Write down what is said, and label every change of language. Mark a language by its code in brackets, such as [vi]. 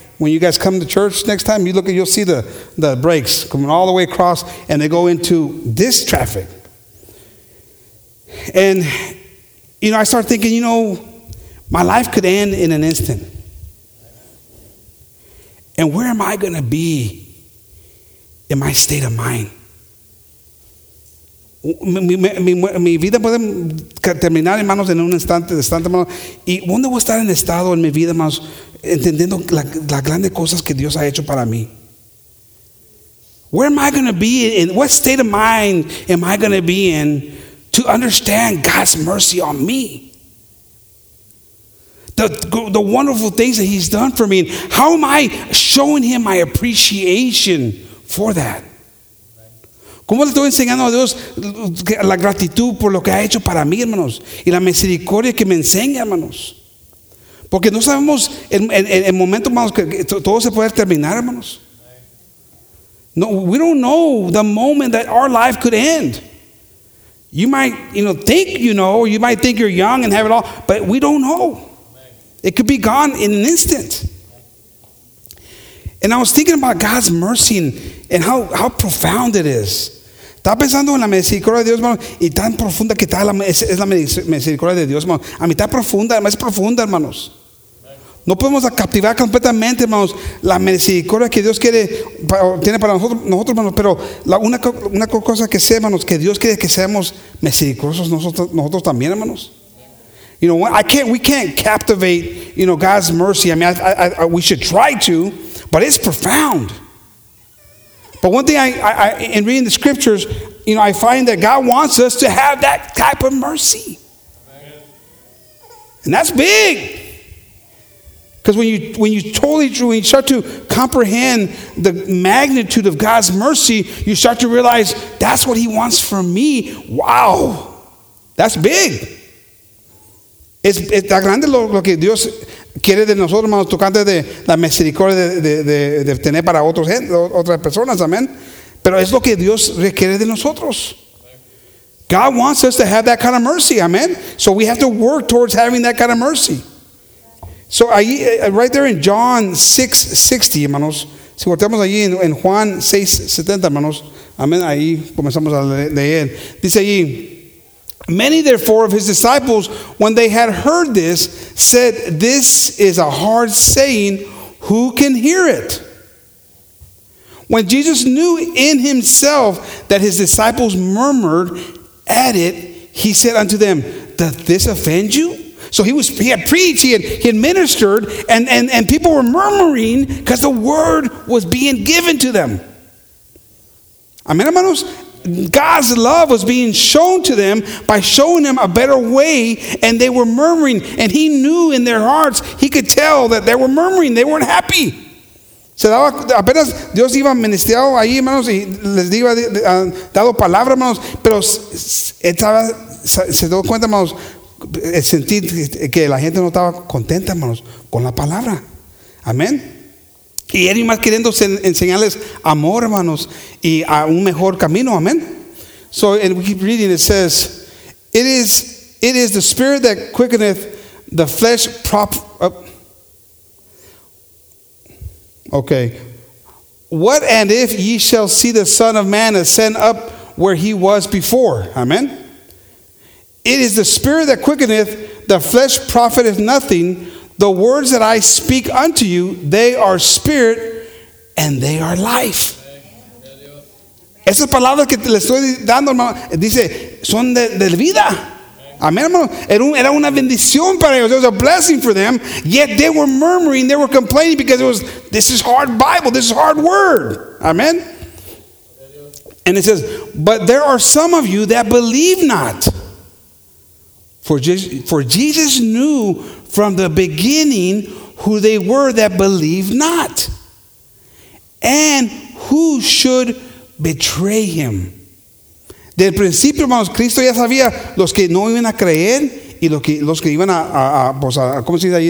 [en] When you guys come to church next time, you'll see the brakes coming all the way across, and they go into this traffic. And you know, I start thinking, you know, my life could end in an instant. And where am I going to be in my state of mind? [es] Mi vida puede terminar, hermanos, en un instante, hermanos. ¿Y dónde voy a estar en estado en mi vida, hermanos, entendiendo las grandes cosas que Dios ha hecho para mí? [en] Where am I going to be in? What state of mind am I going to be in to understand God's mercy on me? The wonderful things that he's done for me. How am I showing him my appreciation for that? [es] ¿Cómo le estoy enseñando a Dios la gratitud por lo que ha hecho para mí, hermanos? Y la misericordia que me enseña, hermanos. Porque no sabemos el momento, hermanos, que todo se puede terminar, hermanos. [en] No, we don't know the moment that our life could end. You might, think you might think you're young and have it all, but we don't know. It could be gone in an instant. And I was thinking about God's mercy and how profound it is. [es] Estaba pensando en la misericordia de Dios, hermano, y tan profunda que está la misericordia de Dios, hermano. A mitad profunda, más profunda, hermanos. No podemos captivar completamente, hermanos, la misericordia que Dios quiere tiene para nosotros, hermanos. Pero una cosa que sé, hermanos, que Dios quiere que seamos misericordiosos nosotros también, hermanos. [en] We can't captivate, God's mercy. I mean, we should try to, but it's profound. But one thing I in reading the scriptures, I find that God wants us to have that type of mercy. Amen. And that's big. Because when you start to comprehend the magnitude of God's mercy, you start to realize that's what he wants from me. Wow. That's big. [es] Es tan grande lo que Dios quiere de nosotros, hermanos, tocante de la misericordia de tener para otras personas, amén. Pero es lo que Dios requiere de nosotros. [en] God wants us to have that kind of mercy, amén. So we have to work towards having that kind of mercy. So ahí, right there in John 6:60, hermanos. [es] Si volteamos allí en Juan 6:70, hermanos. Amén, ahí comenzamos a leer. Dice allí: [en] Many, therefore, of his disciples, when they had heard this, said, This is a hard saying. Who can hear it? When Jesus knew in himself that his disciples murmured at it, he said unto them, Doth this offend you? So he had preached, he had ministered, and people were murmuring because the word was being given to them. Amen, hermanos? God's love was being shown to them by showing them a better way, and they were murmuring, and he knew in their hearts, he could tell that they were murmuring, they weren't happy. [es] Se daba, apenas Dios iba ministrado ahí, hermanos, y les iba dado palabra, hermanos, pero se dio cuenta, hermanos, sentir que la gente no estaba contenta, hermanos, con la palabra. Amén. Y él más queriendo enseñarles amor, hermanos, y a un mejor camino, amén. [en] So, and we keep reading, it says, It is the spirit that quickeneth the flesh prop. Okay. What and if ye shall see the Son of Man ascend up where he was before? Amen. It is the spirit that quickeneth, the flesh profiteth nothing. The words that I speak unto you, they are spirit and they are life. [es] Esas palabras que le estoy dando, hermano, dice, son de vida. Amén, hermano. Era una bendición para ellos. [en] It was a blessing for them. Yet they were murmuring, they were complaining because it was, this is hard Bible, this is hard word. Amen. And it says, but there are some of you that believe not. For Jesus knew from the beginning who they were that believed not, and who should betray him. [es] Del principio, hermanos, Cristo ya sabía los que no iban a creer y los que iban a ¿cómo se dice ahí?